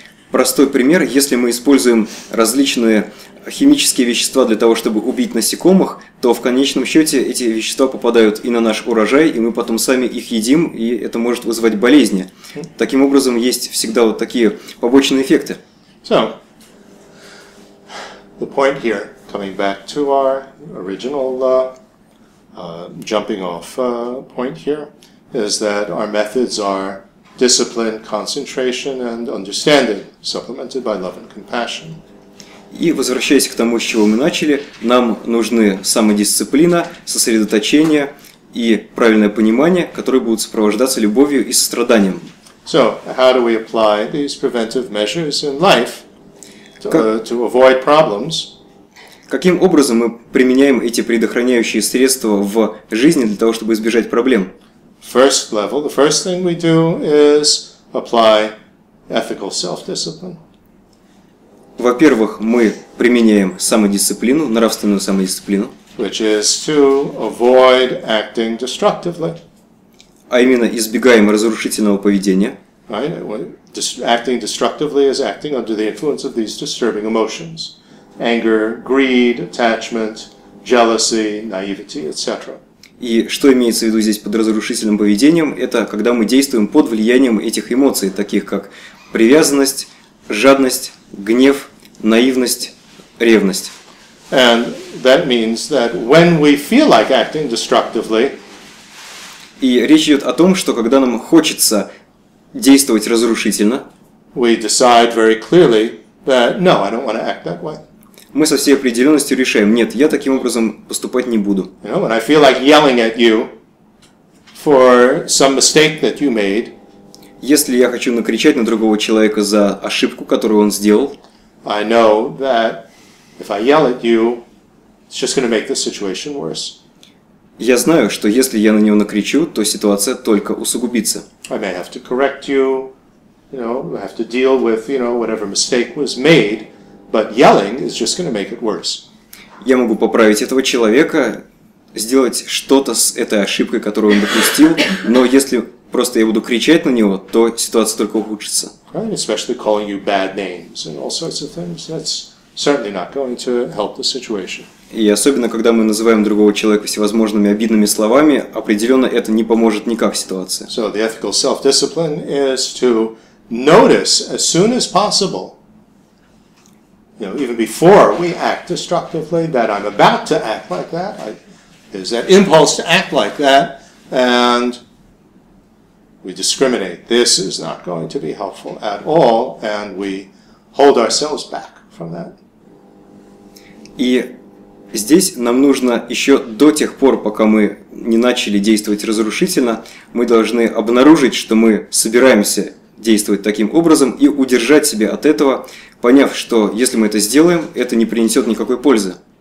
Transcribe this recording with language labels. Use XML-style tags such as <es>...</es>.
<ru>Простой пример, если мы используем различные химические вещества для того, чтобы убить насекомых, то в конечном счете эти вещества попадают и на наш урожай, и мы потом сами их едим, и это может вызвать болезни. Таким образом, есть всегда вот такие побочные эффекты.</ru> <en>So, the point here, coming back to our original jumping off point here, is that our methods are discipline, concentration, and understanding, supplemented by love and compassion.</en> <ru>И возвращаясь к тому, с чего мы начали, нам нужны самодисциплина, сосредоточение и правильное понимание, которые будут сопровождаться любовью и состраданием.</ru> <en>So, how do we apply these preventive measures in life to avoid problems?</en> <ru>Каким образом мы применяем эти предохраняющие средства в жизни для того, чтобы избежать проблем?</ru> <en>First level, the first thing we do is apply ethical self-discipline.</en> <ru>Во-первых, мы применяем самодисциплину, нравственную самодисциплину.</ru> <en>Which is to avoid acting destructively.</en> <ru>А именно, избегаем разрушительного поведения.</ru> <en>Right? Acting destructively is acting under the influence of these disturbing emotions. Anger, greed, attachment, jealousy, naivety, etc.</en> <ru>И что имеется в виду здесь под разрушительным поведением, это когда мы действуем под влиянием этих эмоций, таких как привязанность, жадность, гнев, наивность, ревность.</ru> <en>And that means that when we feel like acting destructively,</en> <ru>и речь идет о том, что когда нам хочется действовать разрушительно,</ru> <en>we decide very clearly that no, I don't want to act that way.</en> <ru>Мы со всей определенностью решаем, нет, я таким образом поступать не буду.</ru> <en>You know, when I feel like yelling at you for some mistake that you made,</en> <ru>если я хочу накричать на другого человека за ошибку, которую он сделал,</ru> <en>I know that if I yell at you, it's just going to make the situation worse.</en> <ru>Я знаю, что если я на него накричу, то ситуация только усугубится.</ru> <en>I may have to correct you, you know, have to deal with, you know, whatever mistake was made. But yelling is just going to make it worse.</en> <ru>Я могу поправить этого человека, сделать что-то с этой ошибкой, которую он допустил, но если просто я буду кричать на него, то ситуация только ухудшится.</ru> <en>Right, especially calling you bad names and all sorts of things, that's certainly not going to help the situation.</en> <ru>И особенно, когда мы называем другого человека всевозможными обидными словами, определенно это не поможет никак ситуации.</ru> <en>So the ethical self-discipline is to notice as soon as possible, you know, even before we act destructively, that I'm about to act like that, there's that impulse to act like that, and we discriminate. This is not going to be helpful at all, and we hold ourselves back from that.</en> <ru>И здесь нам нужно еще до тех пор, пока мы не начали действовать разрушительно, мы должны обнаружить, что мы собираемся действовать таким образом и удержать себя от этого, поняв, что если мы это сделаем, это не принесет никакой пользы.</ru>